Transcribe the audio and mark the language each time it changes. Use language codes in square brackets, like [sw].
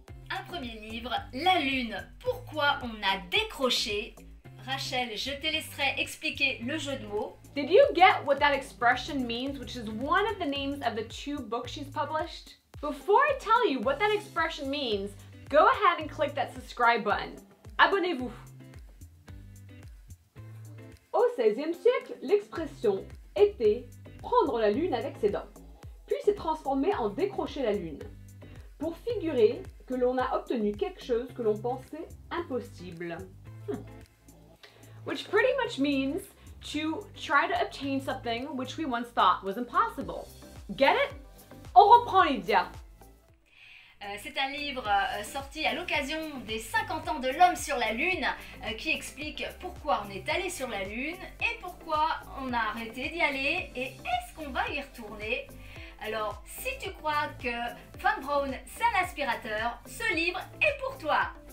[fr] Un premier livre, La Lune, pourquoi on a décroché. Rachel, je te laisserai expliquer le jeu de mots. [en] Did you get what that expression means, which is one of the names of the two books she's published? Before I tell you what that expression means, go ahead and click that subscribe button. [fr] Abonnez-vous. Au 16e siècle, l'expression était prendre la lune avec ses dents, puis s'est transformée en décrocher la lune. Pour figurer que l'on a obtenu quelque chose que l'on pensait impossible. [en] Which pretty much means to try to obtain something which we once thought was impossible. Get it? [fr] On reprend Lydia. C'est un livre sorti à l'occasion des 50 ans de l'homme sur la lune qui explique pourquoi on est allé sur la lune et pourquoi on a arrêté d'y aller et est-ce qu'on va y retourner? Alors, si tu crois que Von Braun, c'est un aspirateur, ce livre est pour toi.